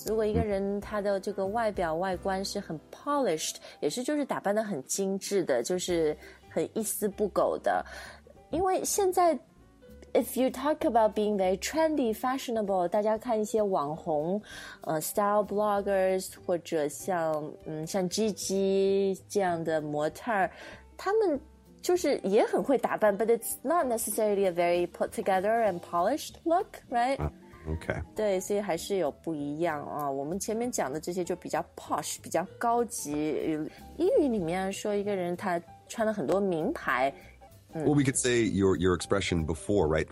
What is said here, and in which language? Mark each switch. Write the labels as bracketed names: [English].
[Chinese] 如果一个人他的这个外表外观是很 polished, 也是就是打扮得很精致的，就是很一丝不苟的。因为现在 [English] if you talk about being very trendy, fashionable, [Chinese] 大家看一些网红 [English] style bloggers, [Chinese] 或者像 Gigi 这样的模特，他们就是也很会打扮， [English] but it's not necessarily a very put together and polished look, right? Okay. [Chinese] 对，所以还是有不一样啊。我们前面讲的这些就比较 posh, 比较高级。英语里面说一个人他穿了很多名牌。 [English] Well, we could say your expression before, right?